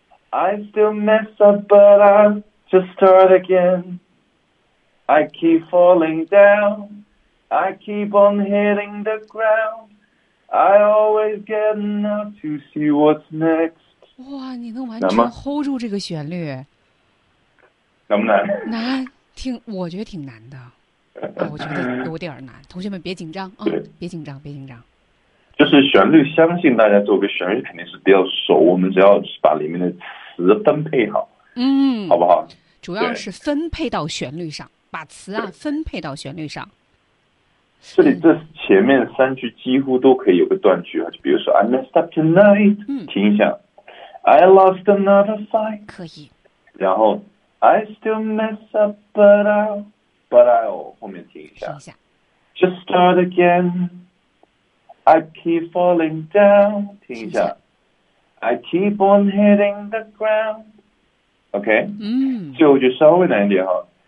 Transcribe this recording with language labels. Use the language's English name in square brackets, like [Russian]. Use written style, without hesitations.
[English] I still mess up, but I'll just start again. I keep falling down. I keep on hitting the ground. I always get enough to see what's next. [Chinese] 哇，你能完全 hold 住这个旋律？难不难？难，我觉得挺难的。我觉得有点难，同学们别紧张啊、别紧张。就是旋律，相信大家做个旋律肯定是比较熟，我们只要是把里面的词分配好，好不好？主要是分配到旋律上，把词啊分配到旋律上。这里这前面三句几乎都可以有个断句啊，就比如说 [English] I messed up tonight， [Chinese] 听一下 ， [English] I lost another fight， [Chinese] 可以。 [English] 然后 I still mess up， but I'll 后面 [Chinese] 停一下 [English] ，Just start again。 I keep falling down， [Chinese] 停一下。 [English] I keep on hitting the ground。 [Chinese] OK， 最后就稍微难一点哈。